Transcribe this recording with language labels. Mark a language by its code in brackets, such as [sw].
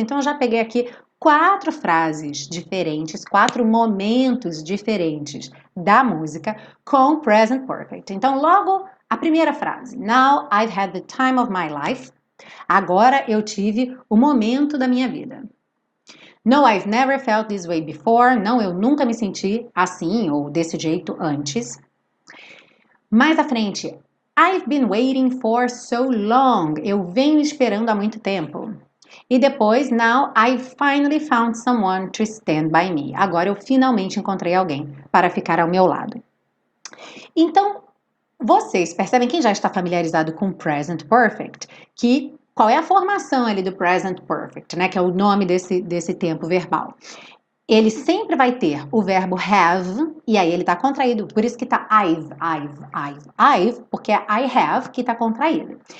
[pt] Então, eu já peguei aqui quatro frases diferentes, quatro momentos diferentes da música com present perfect. Então, logo a primeira frase. [en] Now I've had the time of my life. [pt] Agora eu tive o momento da minha vida. [en] No, I've never felt this way before. [pt] Não, eu nunca me senti assim ou desse jeito antes. Mais à frente, [en] I've been waiting for so long. [pt] Eu venho esperando há muito tempo. E depois, [en] now I finally found someone to stand by me. [pt] Agora eu finalmente encontrei alguém para ficar ao meu lado. Então, vocês percebem, quem já está familiarizado com Present Perfect, que qual é a formação ali do Present Perfect, né? Que é o nome desse tempo verbal. Ele sempre vai ter o verbo have, e aí ele está contraído, por isso que está I've, porque é I have que está contraído.